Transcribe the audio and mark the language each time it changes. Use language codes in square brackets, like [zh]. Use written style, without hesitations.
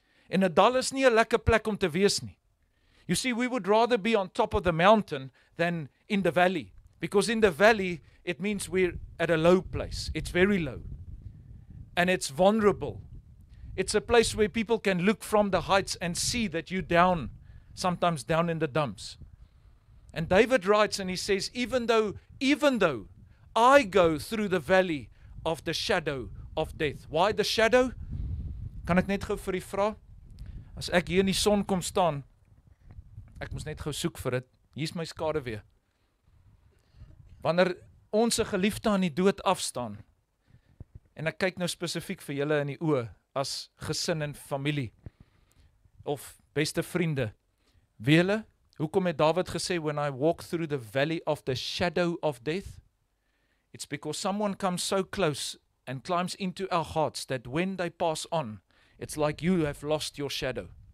[af] En 'n dal is nie 'n lekker plek om te wees nie. [en] You see, we would rather be on top of the mountain than in the valley. Because in the valley, it means we're at a low place. It's very low. And it's vulnerable. It's a place where people can look from the heights and see that you're down, sometimes down in the dumps. And David writes and he says, even though I go through the valley of the shadow of death. Why the shadow? [af] Kan ek net gou vir u vra? As ek hier in die son kom staan, ek moes net gou soek vir dit. Hier is my skaduwee. Wanneer ons geliefde aan die dood afstaan, en ek kyk nou spesifiek vir julle in die oë, as gesin en familie, of beste vriende, weet julle, hoekom het David gesê, [en] when I walk through the valley of the shadow of death, it's because someone comes so close and climbs into our hearts that when they pass on, it's like you have lost your shadow.